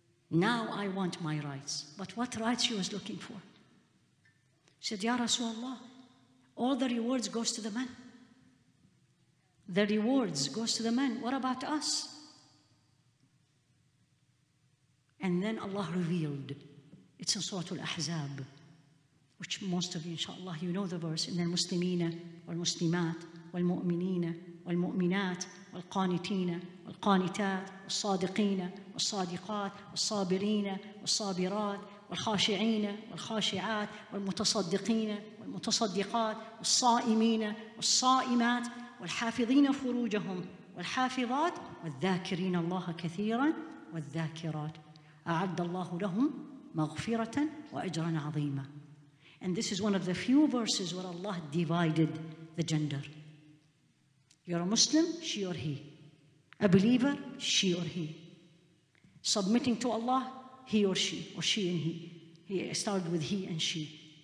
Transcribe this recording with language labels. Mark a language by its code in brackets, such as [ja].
[en] Now I want my rights. But what rights she was looking for? She said, Ya Rasulullah, all the rewards goes to the men. The rewards goes to the men. What about us? And then Allah revealed, it's in Surah Al-Ahzab, which most of you, inshallah, you know the verse, in the Muslimina, wal-Muslimat, [ar] wal-Mu'minina, wal-Mu'minat, والقانتين والقانتات والصادقين والصادقات والصابرين والصابرات والخاشعين والخاشعات والمتصدقين والمتصدقات والصائمين والصائمات والحافظين فروجهم والحافظات والذاكرين الله كثيرا والذاكرات أعد الله لهم مغفرة وأجرا عظيما. [en] And this is one of the few verses where Allah divided the gender. You're a Muslim, she or he. A believer, she or he. Submitting to Allah, he or she and he. He started with he and she.